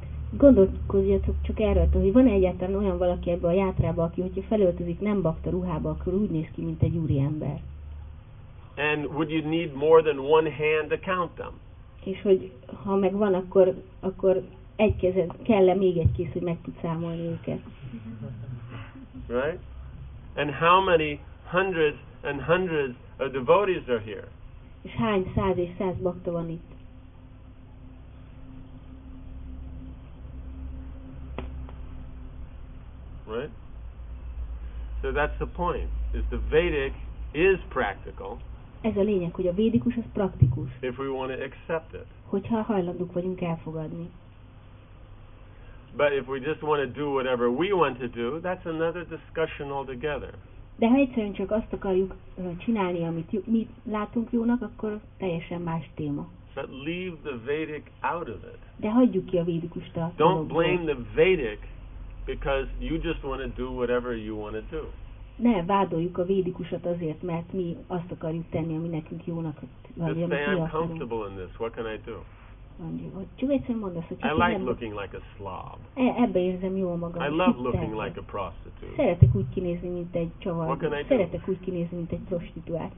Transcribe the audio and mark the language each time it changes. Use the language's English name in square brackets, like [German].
[Hungarian] Gondolkodjatok csak erről, hogy van egyáltalán olyan valaki ebbe a játrába, aki, hogyha felöltözik nem bakta ruhába, akkor úgy néz ki, mint egy úriember. [English] And would you need more than one hand to count them? [Hungarian] És hogy ha meg van, akkor egy kezed kell-e még egy kész, hogy meg tud számolni őket. [English] Right? And how many hundreds and hundreds of devotees are here? [Hungarian] És hány száz és száz bakta van itt? [English] Right? So that's the point, is the Vedic is practical. [Hungarian] Ez a lényeg, hogy a védikus az praktikus. [English] If we want to accept it. [Hungarian] Hogyha hajlandók vagyunk elfogadni. [English] But if we just want to do whatever we want to do, that's another discussion altogether. [Hungarian] De ha egyszerűen csak azt akarjuk csinálni, amit mi látunk jónak, akkor teljesen más téma. [English] But leave the Vedic out of it. [Hungarian] De hagyjuk ki a védikust a dologból. [English] Don't blame the Vedic because you just want to do whatever you want to do. [Hungarian] Ne vádoljuk a védikusat azért, mert mi azt akarjuk tenni, ami nekünk jónak van. Csak egyszerűen mondd azt, hogy [English] I like looking like a slob. [Hungarian] Ebbe érzem jól magam. [English] I love looking like a prostitute. [Hungarian] Szeretek úgy kinézni, mint egy csavar. Szeretek úgy kinézni, mint egy prostituált.